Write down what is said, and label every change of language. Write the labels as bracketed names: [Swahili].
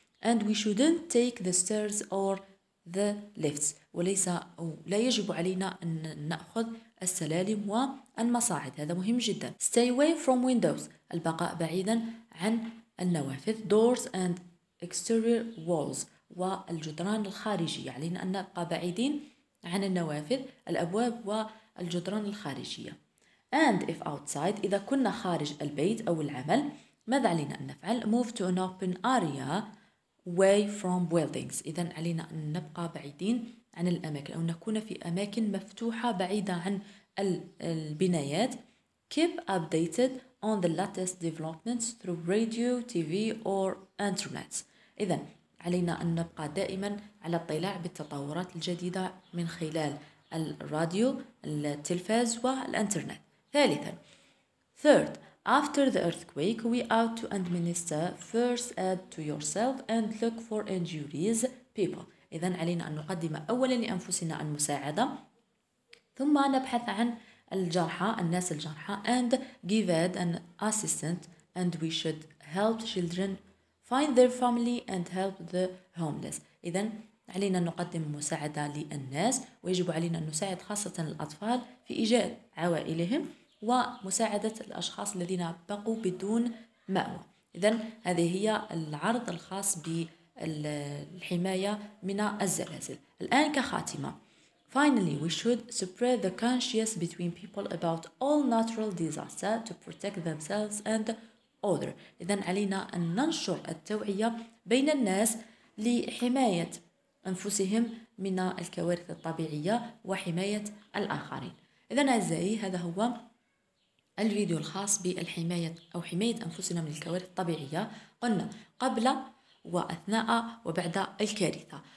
[English] And we shouldn't take the stairs or the lifts. [Arabic] وليس أو لا يجب علينا أن نأخذ السلالم والمصاعد. هذا مهم جدا. [English] Stay away from windows. [Arabic] البقاء بعيدا عن النوافذ. [English] Doors and exterior walls. [Arabic] والجدران الخارجية. علينا أن نبقى بعيدين عن النوافذ, الأبواب والجدران الخارجية. [English] And if outside, [Arabic] إذا كنا خارج البيت أو العمل, ماذا علينا أن نفعل؟ [English] Move to an open area away from buildings. [Arabic] إذن علينا أن نبقى بعيدين عن الأماكن أو نكون في أماكن مفتوحة بعيدة عن البنايات. [English] Keep updated on the latest developments through radio, TV or internet. [Arabic] إذن علينا أن نبقى دائما على اطلاع بالتطورات الجديدة من خلال الراديو, التلفاز والإنترنت. ثالثا. [English] Third, after the earthquake, we ought to administer first aid to yourself and look for injuries people. [Arabic] إذن علينا أن نقدم أولا لأنفسنا المساعدة, ثم نبحث عن الجرحى, الناس الجرحى, [English] and give aid and assistance, and we should help children find their family and help the homeless. [Arabic] إذن علينا أن نقدم مساعدة للناس ويجب علينا أن نساعد خاصة الأطفال في إيجاد عوائلهم ومساعدة الأشخاص الذين بقوا بدون مأوى. إذن هذه هي العرض الخاص بالحماية من الزلازل. الآن كخاتمة. [English] Finally, we should spread the consciousness between people about all natural disasters to protect themselves and other. [Arabic] إذن علينا أن ننشر التوعية بين الناس لحماية أنفسهم من الكوارث الطبيعية وحماية الآخرين. إذن أعزائي, هذا هو الفيديو الخاص بالحماية أو حماية أنفسنا من الكوارث الطبيعية، قلنا قبل وأثناء وبعد الكارثة.